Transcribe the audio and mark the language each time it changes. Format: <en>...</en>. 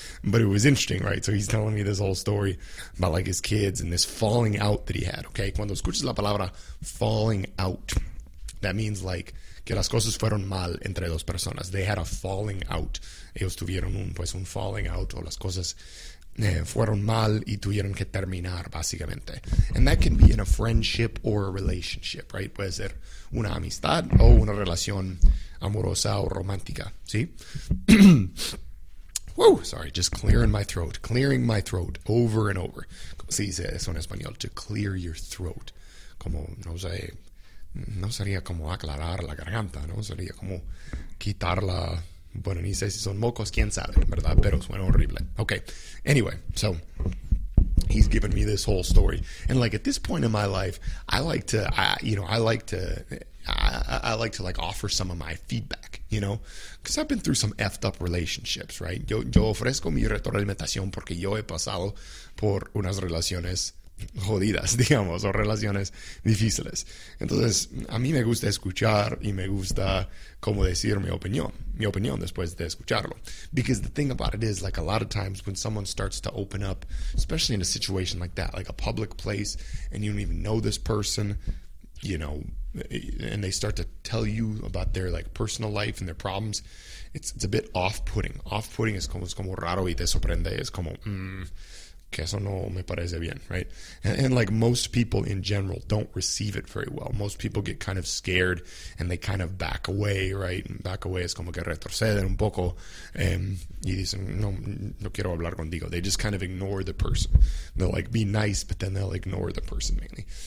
<en>But it was interesting, right? So he's telling me this whole story about, like, his kids and this falling out that he had, okay?</en> <es>Cuando escuchas la palabra falling out,</es> <en>that means, like,</en> <es>que las cosas fueron mal entre dos personas.</es> <en>They had a falling out.</en> <es>Ellos tuvieron un falling out, o las cosas fueron mal y tuvieron que terminar, básicamente.</es> <en>And that can be in a friendship or a relationship, right?</en> <es>Puede ser una amistad o una relación amorosa o romántica, ¿sí?</es> <en>Whoa, sorry, just clearing my throat over and over.</en> <es>¿Cómo se dice eso en español?</es> <en>To clear your throat.</en> <es>Como, no sé, no sería como aclarar la garganta, ¿no? Sería como quitar la... Bueno, ni sé si son mocos, quién sabe, ¿verdad? Pero suena horrible.</es> <en>Okay, anyway, so he's given me this whole story. And like at this point in my life, I like to offer some of my feedback, you know? Because I've been through some effed up relationships, right?</en> <es>Yo ofrezco mi retroalimentación porque yo he pasado por unas relaciones jodidas, digamos, o relaciones difíciles. Entonces, a mí me gusta escuchar y me gusta cómo decir mi opinión después de escucharlo.</es> <en>Because the thing about it is, like, a lot of times when someone starts to open up, especially in a situation like that, like a public place, and you don't even know this person, you know, and they start to tell you about their, like, personal life and their problems, it's a bit off-putting.</en> <es>Off-putting es como raro y te sorprende, es como, que eso no me parece bien, right?</es> <en>And like most people in general don't receive it very well. Most people get kind of scared and they kind of back away, right?</en> <es>And back away es como que retroceden un poco, y dicen, no quiero hablar contigo.</es> <en>They just kind of ignore the person. They'll like be nice, but then they'll ignore the person mainly.</en>